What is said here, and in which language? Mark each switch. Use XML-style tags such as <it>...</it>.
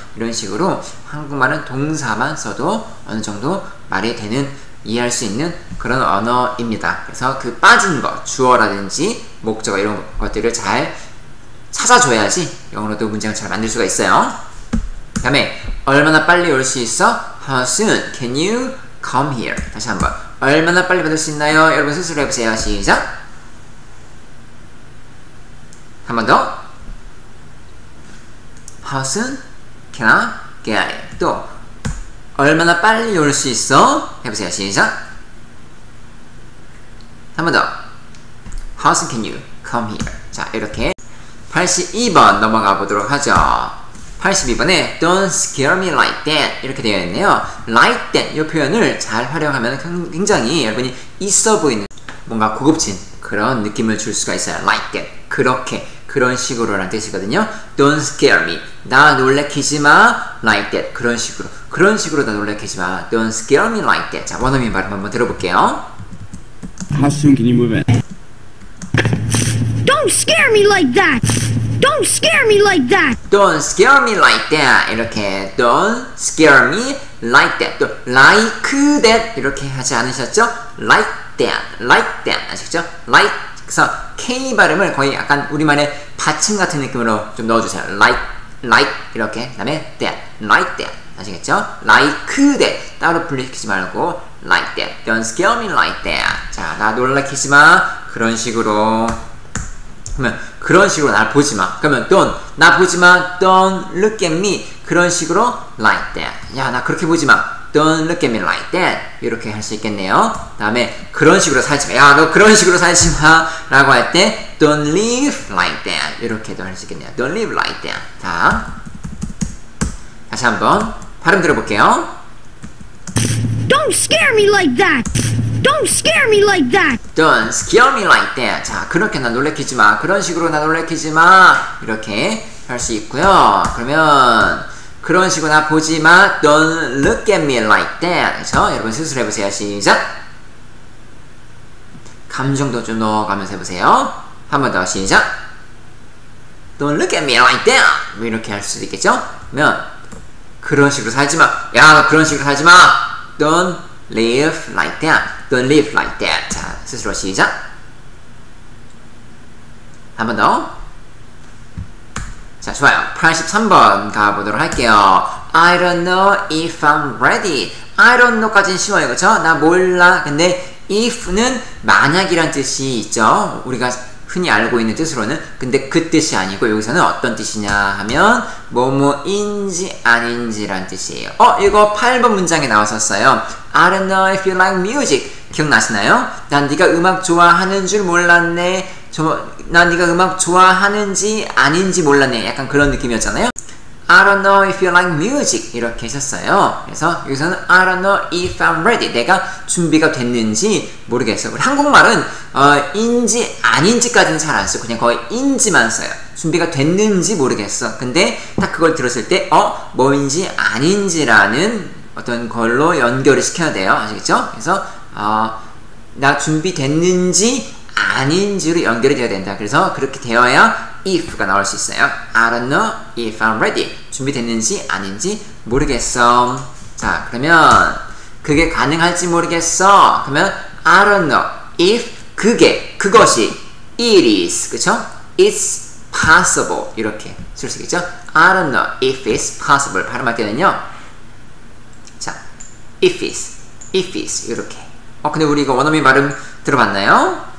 <ko>이런 식으로 한국말은 동사만 써도 어느 정도 말이 되는 이해할 수 있는 그런 언어입니다. 그래서 그 빠진 거 주어라든지 목적어 이런 것들을 잘 찾아줘야지 영어로도 문장을 잘 만들 수가 있어요. 그 다음에 얼마나 빨리 올 수 있어?</ko> <en>How soon can you come here?</en> <ko>다시 한번 얼마나 빨리 받을 수 있나요? 여러분 스스로 해보세요. 시작! 한 번 더</ko> <en>How soon can I get it?</en> <ko>또 얼마나 빨리 올 수 있어? 해보세요. 시작! 한 번 더</ko> <en>How soon can you come here?</en> <ko>자 이렇게 82번 넘어가 보도록 하죠. 82번에</ko> <en>Don't scare me like that</en> <ko>이렇게 되어 있네요. Like that 이 표현을 잘 활용하면 굉장히 여러분이 있어 보이는 뭔가 고급진 그런 느낌을 줄 수가 있어요. Like that 그렇게 그런 식으로 라는 뜻이거든요.</ko> <en>Don't scare me</en> <ko>나 놀래키지 마 Like that 그런 식으로 그런 식으로 나 놀래키지 마</ko> <en>Don't scare me like that.</en> <ko>자 원어민 발음 한번 들어볼게요.</ko> <en>How soon can you move in? Don't scare me like that. Don't scare me like that. Don't scare me like that.</en> <ko>이렇게</ko> <en>Don't scare me like that.</en> <ko>또 like that 이렇게 하지 않으셨죠?</ko> <en>Like that, like that</en> <ko>아시겠죠? Like 그래서 K 발음을 거의 약간 우리말의 받침 같은 느낌으로 좀 넣어주세요.</ko> <en>Like 이렇게 그다음에 that, like that</en> <ko>아시겠죠?</ko> <en>Like that</en> <ko>따로 분리시키지 말고</ko> <en>like that. Don't scare me like that. 자</en> <ko>나 놀라키지 마. 그런 식으로. 그러면 그런 식으로 나 보지 마. 그러면 don't 나 보지 마.</ko> <en>Don't look at me.</en> <ko>그런 식으로</ko> <en>like that.</en> <ko>야, 나 그렇게 보지 마.</ko> <en>Don't look at me like that.</en> <ko>이렇게 할 수 있겠네요. 다음에 그런 식으로 살지 마. 야, 너 그런 식으로 살지 마. 라고 할 때</ko> <en>Don't live like that.</en> <ko>이렇게도 할 수 있겠네요.</ko> <en>Don't live like that.</en> <ko>자, 다시 한번 발음 들어볼게요.</ko> <en>Don't scare me like that. Don't scare me like that. Don't scare me like that.</en> <ko>자, 그렇게 나 놀래키지 마. 그런 식으로 나 놀래키지 마. 이렇게 할 수 있고요. 그러면 그런 식으로 나 보지 마.</ko> <en>Don't look at me like that.</en> <ko>그렇죠? 여러분 스스로 해보세요. 시작. 감정도 좀 넣어가면서 해보세요. 한 번 더 시작.</ko> <en>Don't look at me like that.</en> <ko>이렇게 할 수도 있겠죠? 그러면 그런 식으로 살지 마. 야, 그런 식으로 살지 마.</ko> <en>Don't live like that. Don't live like that.</en> <ko>자, 스스로 시작. 한 번 더. 자, 좋아요. 83번 가보도록 할게요.</ko> <en>I don't know if I'm ready. I don't know</en> <ko>까진 쉬워요. 그쵸? 나 몰라. 근데 if는 만약이란 뜻이 있죠. 우리가 흔히 알고 있는 뜻으로는. 근데 그 뜻이 아니고 여기서는 어떤 뜻이냐 하면 뭐뭐인지 아닌지란 뜻이에요. 이거 8번 문장에 나왔었어요.</ko> <en>I don't know if you like music.</en> <ko>기억나시나요? 난 네가 음악 좋아하는 줄 몰랐네. 난 네가 음악 좋아하는지 아닌지 몰랐네. 약간 그런 느낌이었잖아요.</ko> <en>I don't know if you like music.</en> <ko>이렇게 했었어요. 그래서 여기서는</ko> <en>I don't know if I'm ready.</en> <ko>내가 준비가 됐는지 모르겠어요. 한국말은 인지 아닌지까지는 잘 안 써요. 그냥 거의 인지만 써요. 준비가 됐는지 모르겠어. 근데 딱 그걸 들었을 때 뭐인지 아닌지라는 어떤 걸로 연결을 시켜야 돼요. 아시겠죠? 그래서 나 준비됐는지 아닌지로 연결이 되어야 된다. 그래서 그렇게 되어야 if가 나올 수 있어요. I don't know if I'm ready. 준비됐는지 아닌지 모르겠어. 자, 그러면 그게 가능할지 모르겠어.</ko> <en>그러면 I don't know if</en> <ko>그게, 그것이</ko> <en>it is,</en> <ko>그쵸?</ko> <en>It's possible.</en> <ko>이렇게 쓸 수 있겠죠?</ko> <en>I don't know if it's possible.</en> <ko>발음할 때는요. 자, if it's 이렇게. 근데 우리 이거 원어민 발음 들어봤나요?</ko>